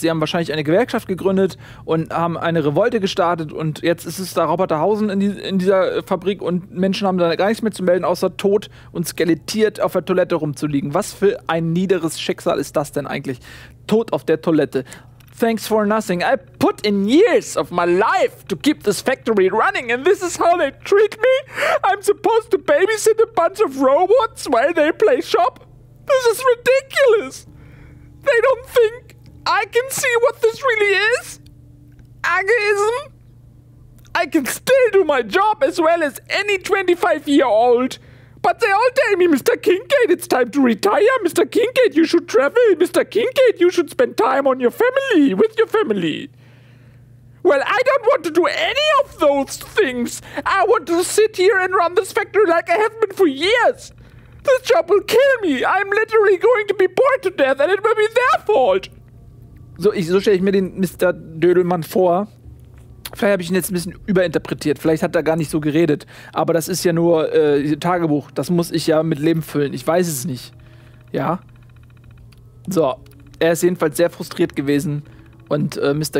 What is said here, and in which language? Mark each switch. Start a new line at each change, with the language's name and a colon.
German: Sie haben wahrscheinlich eine Gewerkschaft gegründet und haben eine Revolte gestartet. Und jetzt ist es da Roboterhausen in dieser Fabrik und Menschen haben da gar nichts mehr zu melden, außer tot und skelettiert auf der Toilette rumzuliegen. Was für ein niederes Schicksal ist das denn eigentlich? Tot auf der Toilette.
English: Thanks for nothing. I put in years of my life to keep this factory running and this is how they treat me? I'm supposed to babysit a bunch of robots while they play shop? This is ridiculous! They don't think I can see what this really is? Ageism? I can still do my job as well as any 25-year-old. But they all tell me, Mr. Kincaid, it's time to retire. Mr. Kincaid, you should travel. Mr. Kincaid, you should spend time on your family, with your family. Well, I don't want to do any of those things. I want to sit here and run this factory like I have been for years. This job will kill me. I'm literally going to be bored to death and it will be their fault.
German: So stelle ich mir den Mr. Dödelmann vor. Vielleicht habe ich ihn jetzt ein bisschen überinterpretiert. Vielleicht hat er gar nicht so geredet. Aber das ist ja nur Tagebuch. Das muss ich ja mit Leben füllen. Ich weiß es nicht. Ja? So. Er ist jedenfalls sehr frustriert gewesen. Und Mr.